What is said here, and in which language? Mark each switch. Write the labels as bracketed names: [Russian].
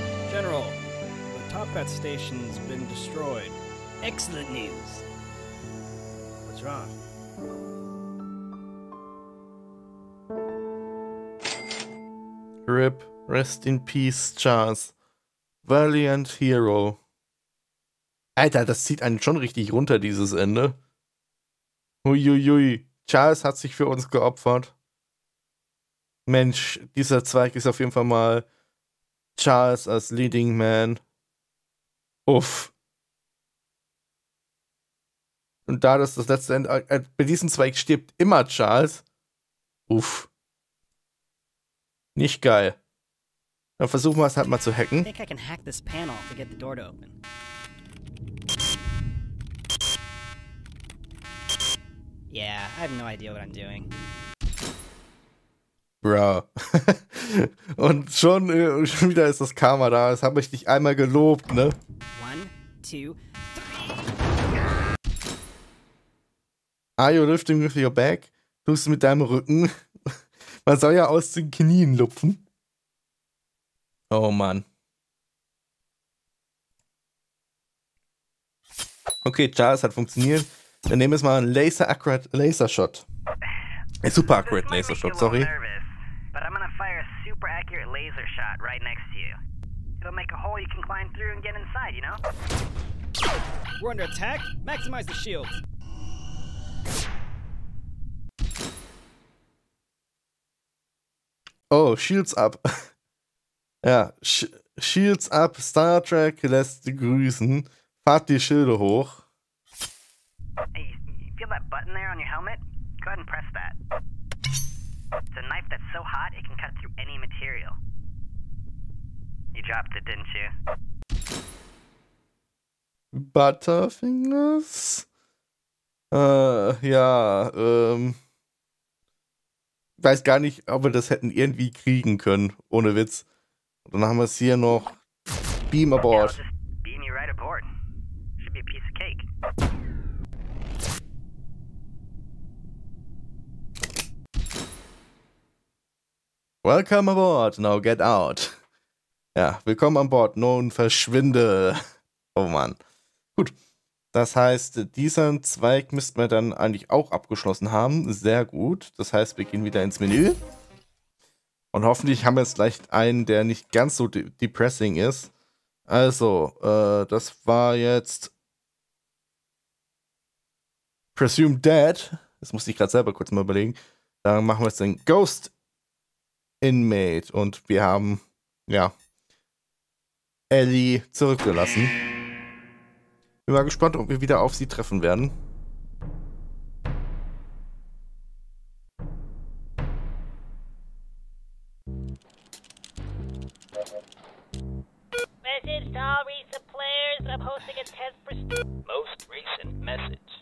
[English] General, the Topcat station's been destroyed. Excellent news. What's wrong? RIP, rest in peace, Charles. Valiant hero. [German] Alter, das zieht einen schon richtig runter, dieses Ende. Huiuiui. Charles hat sich für uns geopfert. Mensch, dieser Zweig ist auf jeden Fall mal Charles als Leading Man. Uff. Und da das das letzte Ende... bei diesem Zweig stirbt immer Charles. Uff. Nicht geil. Dann versuchen wir es halt mal zu hacken. Ich denke, ich kann dieses Panel hacken, um die Tür zu öffnen. [English] Yeah, I have no idea what I'm doing. Bruh. [German] Und schon wieder ist das Karma da. Das habe ich dich einmal gelobt, ne? 1, 2, 3. [English] Are you lifting with your back? [German] Tust du mit deinem Rücken? Man soll ja aus den Knien lupfen. Oh Mann. Okay, Charles, hat funktioniert. Dann nehmen wir mal einen Laser-Accurate-Laser-Shot. [English] Super-Accurate-Laser-Shot, sorry. But I'm gonna fire a super-accurate laser-shot right next to you. It'll make a hole you can climb through and get inside, you know? We're under attack. Maximize the shields. Oh, shields up. Ja, shields up. [German] Star Trek lässt grüßen. Fahrt die Schilde hoch. [English] Hey, you feel that button there on your helmet? Go ahead and press that. It's a knife that's so hot, it can cut through any material. You dropped it, didn't you? Butterfingers? [German] Weiß gar nicht, ob wir das hätten irgendwie kriegen können, ohne Witz. Und dann haben wir es hier noch. [English] Beam aboard. Okay, I'll just beam you right aboard. Should be a piece of cake. Welcome aboard, now get out. [German] Ja, willkommen an Bord, nun verschwinde. Oh Mann. Gut, das heißt, diesen Zweig müssten wir dann eigentlich auch abgeschlossen haben. Sehr gut, das heißt, wir gehen wieder ins Menü. Und hoffentlich haben wir jetzt gleich einen, der nicht ganz so depressing ist. Also, das war jetzt... Presumed Dead. Das musste ich gerade selber kurz mal überlegen. Dann machen wir jetzt den Ghost... Inmate und wir haben ja Ellie zurückgelassen. Bin mal gespannt, ob wir wieder auf sie treffen werden. [English] Message to all recent players. I'm hosting a test for most recent message.